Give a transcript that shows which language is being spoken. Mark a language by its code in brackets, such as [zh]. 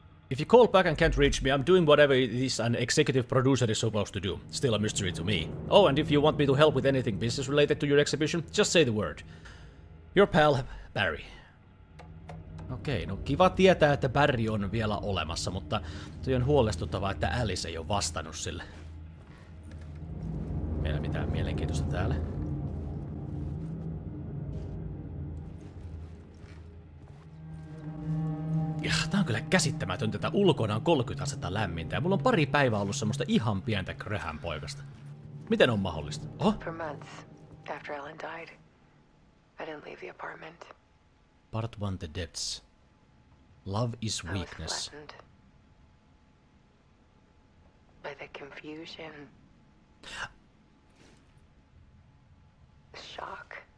[en] If you call back and can't reach me, I'm doing whatever it is an executive producer is supposed to do. Still a mystery to me. Oh, and if you want me to help with anything business related to your exhibition, just say the word. Your pal, Barry. [fi] Okei, no kiva tietää, että Barry on vielä olemassa, mutta toi on huolestuttavaa, että Alice ei ole vastannut sille. Meillä mitään mielenkiintoista täällä. Jah, tää on kyllä käsittämätöntä, että ulkona on 30 asetta lämmintä ja mulla on pari päivää ollut semmoista ihan pientä kröhän poikasta. Miten on mahdollista? Oh? [en] For months after Alan died, I didn't leave the apartment. Part 1, The Depths. Love is weakness. By the confusion. The shock.